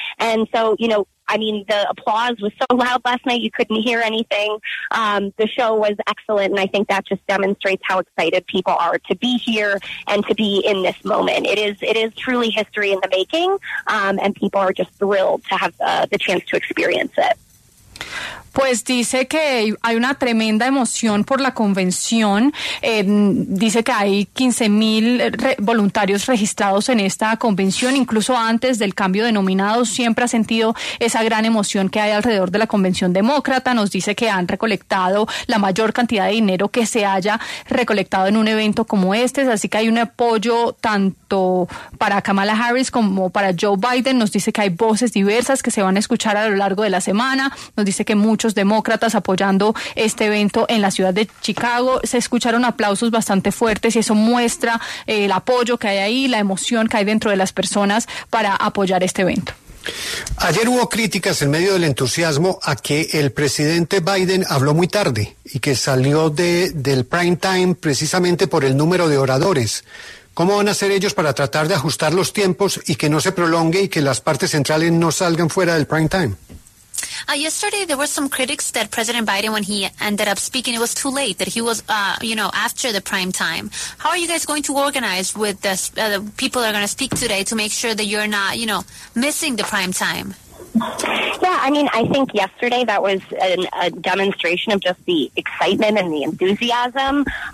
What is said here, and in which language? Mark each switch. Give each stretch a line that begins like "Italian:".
English: And so, you know, I mean, the applause was so loud last night you couldn't hear anything. The show was excellent, and I think that just demonstrates how excited people are to be here and to be in this moment. It is truly history in the making, and people are just thrilled to have the chance to experience it.
Spanish: Pues dice que hay una tremenda emoción por la convención. Dice que hay 15,000 voluntarios registrados en esta convención. Incluso antes del cambio de nominados, siempre ha sentido esa gran emoción que hay alrededor de la convención demócrata. Nos dice que han recolectado la mayor cantidad de dinero que se haya recolectado en un evento como este. Así que hay un apoyo tanto para Kamala Harris como para Joe Biden. Nos dice que hay voces diversas que se van a escuchar a lo largo de la semana. Nos dice que muchos muchos demócratas apoyando este evento en la ciudad de Chicago. Se escucharon aplausos bastante fuertes y eso muestra el apoyo que hay ahí, la emoción que hay dentro de las personas para apoyar este evento. Ayer hubo críticas en medio del entusiasmo a que el presidente Biden habló muy tarde y que salió del prime time precisamente por el número de oradores. ¿Cómo van a hacer ellos para tratar de ajustar los tiempos y que no se prolongue y que las partes centrales no salgan fuera del prime time?
English: Yesterday there were some critics that President Biden, when he ended up speaking, it was too late, that he was, after the prime time. How are you guys going to organize with the people that are going to speak today to make sure that you're not, missing the prime time? Yeah, I mean, I think yesterday that was a demonstration of just the excitement and the enthusiasm.